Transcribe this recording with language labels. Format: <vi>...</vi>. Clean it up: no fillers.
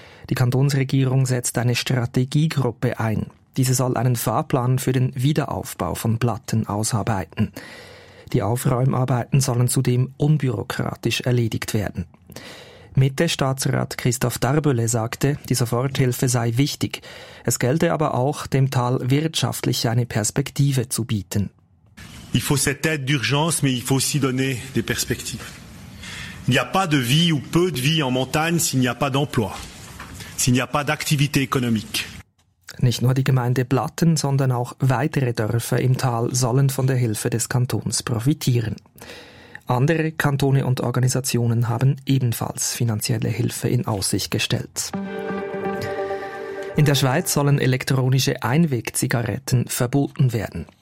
<de>Die Kantonsregierung setzt eine Strategiegruppe ein. Diese soll einen Fahrplan für den Wiederaufbau von Platten ausarbeiten. Die Aufräumarbeiten sollen zudem unbürokratisch erledigt werden. Mitte-Staatsrat Christoph Darbele sagte, die Soforthilfe sei wichtig. Es gelte aber auch, dem Tal wirtschaftlich eine Perspektive zu bieten.</de> <fr>Il faut cette aide d'urgence, mais il faut aussi donner des perspectives. Il n'y a pas de vie ou peu de vie en montagne s'il n'y a pas d'emploi, s'il n'y a pas d'activité économique.</fr> <de>Nicht nur die Gemeinde Platten, sondern auch weitere Dörfer im Tal sollen von der Hilfe des Kantons profitieren. Andere Kantone und Organisationen haben ebenfalls finanzielle Hilfe in Aussicht gestellt. In der Schweiz sollen elektronische Einwegzigaretten verboten werden.</de>